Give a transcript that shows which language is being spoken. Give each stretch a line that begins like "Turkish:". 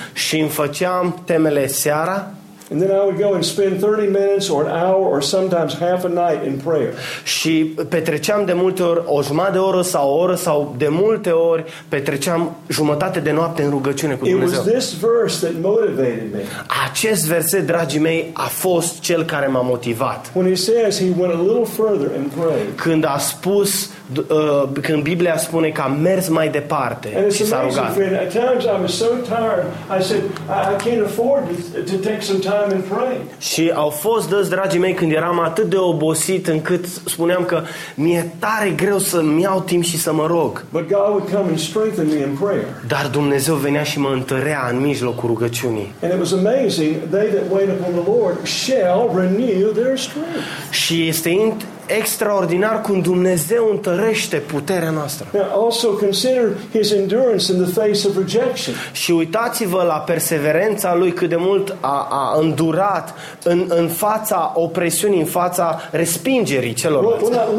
Romanian: Și îmi făceam temele seara.
English: And then I would go and spend 30 minutes or an hour or sometimes half a night in prayer.
Romanian: Și petreceam de multe ori o jumătate de oră sau o oră sau de multe ori petreceam jumătate de noapte în rugăciune cu Dumnezeu.
English: It was this verse that motivated me.
Romanian: Acest verset, dragii mei, a fost cel care m-a motivat.
English: When he says he went a little further and prayed.
Romanian: Când a spus când Biblia spune că a mers mai departe și s-a rugat.
English: Friend, at times I was so tired, I said I can't afford to take some time and pray.
Romanian: Și au fost dăți, dragii mei, când eram atât de obosit încât spuneam că mi-e tare greu să-mi iau timp și să mă rog.
English: But God would come and strengthen me in prayer.
Romanian: Dar Dumnezeu venea și mă întărea în mijlocul rugăciunii.
English: And it was amazing, they that wait upon the Lord shall renew their strength.
Romanian: Și este extraordinar cum Dumnezeu întărește puterea noastră.
English: Also consider his endurance in the face of rejection.
Romanian: Și uitați-vă la perseverența lui, cât de mult a îndurat în fața opresiunii, în fața respingerii celorlalți.